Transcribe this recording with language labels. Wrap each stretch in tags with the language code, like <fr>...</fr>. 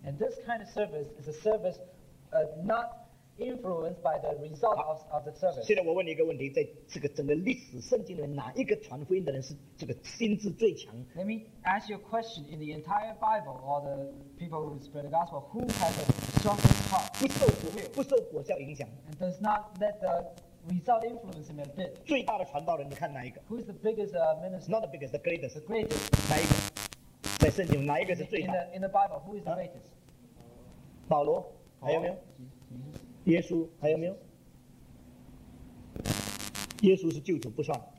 <en>and this kind of service is a service not influenced by the result of the service.</en> <zh>现在我问你一个问题, 在这个整个历史圣经里面, 哪一个传福音的人是这个心智最强?</zh> <en>Let me ask you a question. In the entire Bible, all the people who spread the gospel, who has a strongest heart?</en> <zh>不受果效影响,</zh> <en>and does not let the result influence him a bit.</en> <zh>最大的传道人, 你看哪一个?</zh> <en>Who is the biggest minister? Not the biggest, the greatest. The greatest.</en> <zh>哪一个?在圣经, 哪一个是最大?</zh> <en>In the Bible, who is the greatest?</en> <zh>保罗?还有没有?耶稣, 还有没有? 耶稣是救主, 不算。</zh>